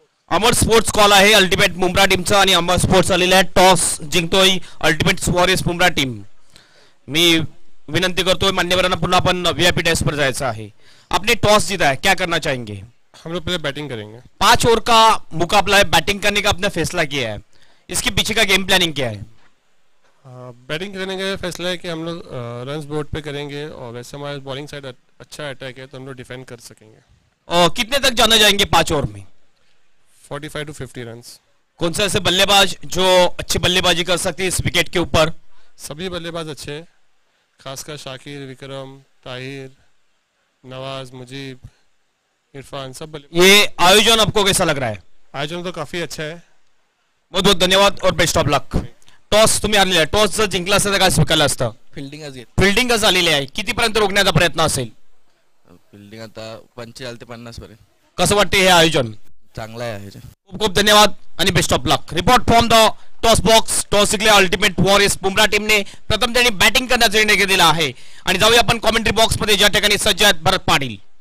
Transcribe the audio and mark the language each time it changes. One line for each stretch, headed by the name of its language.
Marathi: अमर sports call आहे ultimate Mumbra टीमचा आणि अमर स्पोर्ट्स आलेला आहे toss जिंकतोय ultimate warriors Mumbra team, मी विनंती करतोय मान्यवरांना पुन्हा आपण व्हीआयपी डेस्क पर जायचं आहे,
Hindi: आपने टॉस जीता है क्या करना चाहेंगे, हम लोग पहले बैटिंग करेंगे, 5 ओवर का मुकाबला है, बैटिंग करने का आपने फैसला किया है, इसके पीछे का गेम प्लानिंग क्या है, बैटिंग करने का फैसला है कि हम लोग रन बोर्ड पे करेंगे और वैसे हमारे बॉलिंग साइड अच्छा अटैक है तो हम लोग डिफेंड कर सकेंगे, और कितने तक जाना चाहेंगे 5 ओवर में, 45-50 रन, कौन सा ऐसे बल्लेबाज जो अच्छी बल्लेबाजी कर सकते इस विकेट के ऊपर, सभी बल्लेबाज अच्छे है, खासकर शाकिर विक्रम ताहिर नवाज मुजीब इरफान सब बल्लेबाज, ये आयोजन आपको कैसा लग रहा है, आयोजन तो काफी अच्छा है, बहुत बहुत धन्यवाद और बेस्ट ऑफ लक,
Marathi: टॉस तुम्ही हारले, टॉस जर जिंकला असता काय स्वीकारलं असतं, फिल्डिंग आलेली आहे, किती पर्यंत रोखण्याचा प्रयत्न असेल, फिल्डिंग आता 45-50 पर्यंत, कसं वाटते हे आयोजन, चांगला आहे, खूप खूप धन्यवाद आणि best of luck,
English: report from the toss box,
Marathi: toss जिंकले अल्टिमेट वॉरियर्स बुमरा टीमने, प्रथम त्यांनी बॅटिंग करण्याचा निर्णय घेतला आहे आणि जाऊया आपण कॉमेंट्री बॉक्स मध्ये, ज्या ठिकाणी सज्ज आहेत भरत पाटील,